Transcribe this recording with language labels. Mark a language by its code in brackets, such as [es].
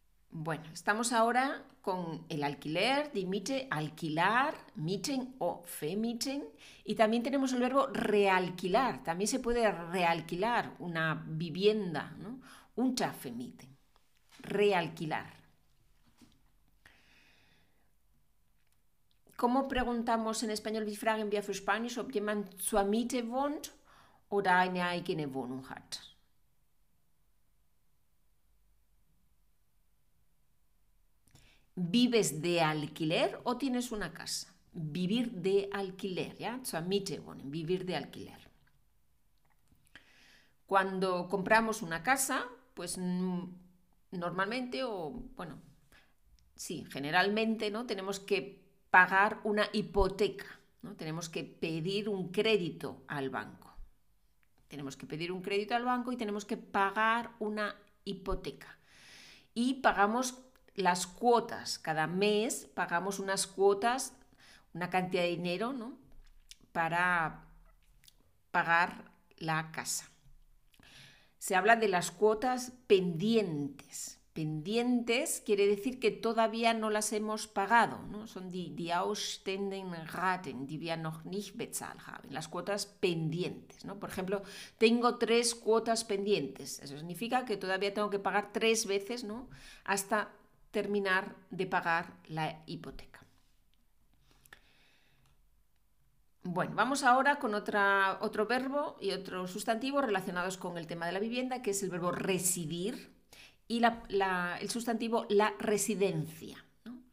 [es] Bueno, estamos ahora con el alquiler, [de] die Miete, [es] alquilar, Mieten o vermieten, y también tenemos el verbo realquilar. También se puede realquilar una vivienda, ¿no? [de] Untervermieten. [es] Realquilar. [de] ¿Cómo preguntamos en español? Wie fragen wir auf Spanisch, ob jemand zur Miete wohnt oder eine eigene Wohnung hat? [es] ¿Vives de alquiler o tienes una casa? Vivir de alquiler, ¿ya? [de] Zur Miete wohnen, [es] vivir de alquiler. Cuando compramos una casa, pues normalmente, o bueno, sí, generalmente, ¿no? Tenemos que pagar una hipoteca, ¿no? Tenemos que pedir un crédito al banco. Tenemos que pedir un crédito al banco y tenemos que pagar una hipoteca. Y pagamos las cuotas. Cada mes pagamos unas cuotas, una cantidad de dinero, ¿no? Para pagar la casa. Se habla de las cuotas pendientes. Pendientes quiere decir que todavía no las hemos pagado, ¿no? [de] Son die ausstehenden Raten, die wir noch nicht bezahlt haben. [es] Las cuotas pendientes, ¿no? Por ejemplo, tengo 3 cuotas pendientes. Eso significa que todavía tengo que pagar 3 veces, ¿no? Hasta terminar de pagar la hipoteca. Bueno, vamos ahora con otro verbo y otro sustantivo relacionados con el tema de la vivienda, que es el verbo residir y el sustantivo la residencia, ¿no?